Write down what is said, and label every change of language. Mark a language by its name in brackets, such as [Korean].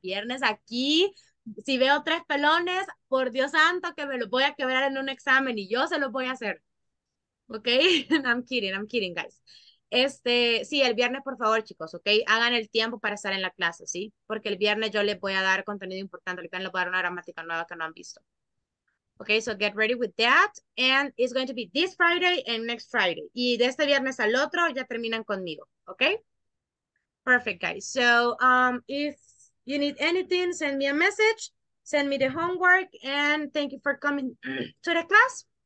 [Spanish] Viernes aquí, si veo 3 pelones, por Dios santo que me los voy a quebrar en un examen y yo se los voy a hacer. Okay? [English] I'm kidding, guys. [Spanish] Sí, el viernes, por favor, chicos, ¿ok? Hagan el tiempo para estar en la clase, ¿sí? Porque el viernes yo les voy a dar contenido importante, el viernes les voy a dar una gramática nueva que no han visto. [English] Ok, so get ready with that, and it's going to be this Friday and next Friday. [Spanish] Y de este viernes al otro ya terminan conmigo, ¿ok? [English] Perfect, guys. So, if you need anything, send me a message, send me the homework, and thank you for coming to the class.